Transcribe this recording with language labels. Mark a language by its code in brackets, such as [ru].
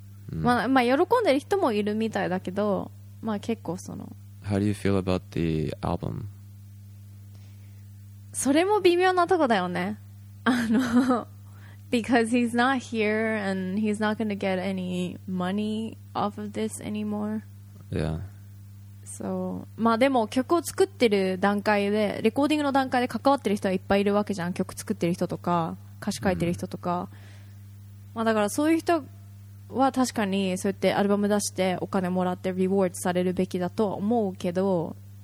[ja] まあ喜んでる人もいるみたいだけど、まあ結構その。 [en] How do you feel about the album? [ja] それも微妙なとこだよね。 [en] あの、because he's not here and he's not going to get any money off of this anymore. Yeah. [ja] So, まあでも曲を作ってる段階で、レコーディングの段階で関わってる人はいっぱいいるわけじゃん。曲作ってる人とか。歌詞書いてる人とか、まあ、だからそういう人は確かにそうやってアルバム出してお金もらってリワードされるべきだと思うけど、